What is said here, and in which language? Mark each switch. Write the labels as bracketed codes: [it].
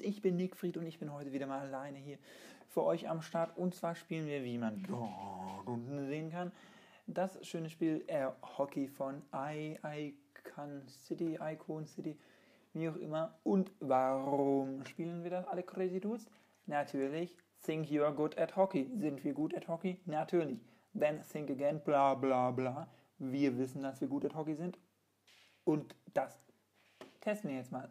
[de] Ich bin Nick Fried und ich bin heute wieder mal alleine hier für euch am Start. Und zwar spielen wir, wie man unten sehen kann, das schöne Spiel Hockey von Icon City, wie auch immer. Und warum spielen wir das, alle Crazy Dudes? Natürlich, [en] think you are good at hockey. [de] Sind wir gut [en] at hockey? [de] Natürlich. [en] Then think again, bla bla bla. [de] Wir wissen, dass wir gut [en] at hockey [de] sind. Und das testen wir jetzt mal.